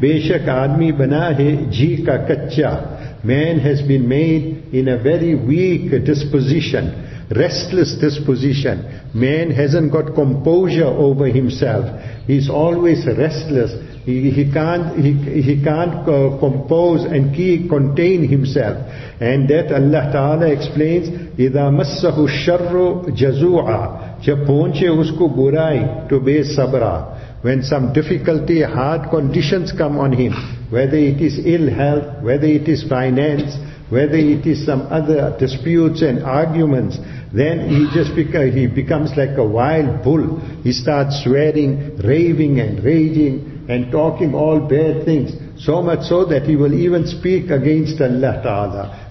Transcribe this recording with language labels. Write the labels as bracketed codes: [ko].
[ur] Beshak aadmi bana hai ji ka kaccha. [en] Man has been made in a very weak disposition. restless disposition. Man hasn't got composure over himself. He's always restless. He can't compose and contain himself. And that Allah Ta'ala explains, [ar] إِذَا مَسَّهُ الشَّرُّ جَزُوعًا [ur] جَبْ پُونچے اس کو بُرَائِ تو بے صبرہ. [en] When some difficulty, hard conditions come on him, whether it is ill health, whether it is finance, whether it is some other disputes and arguments, then he becomes like a wild bull. He starts swearing, raving and raging and talking all bad things, so much so that he will even speak against Allah Ta'ala.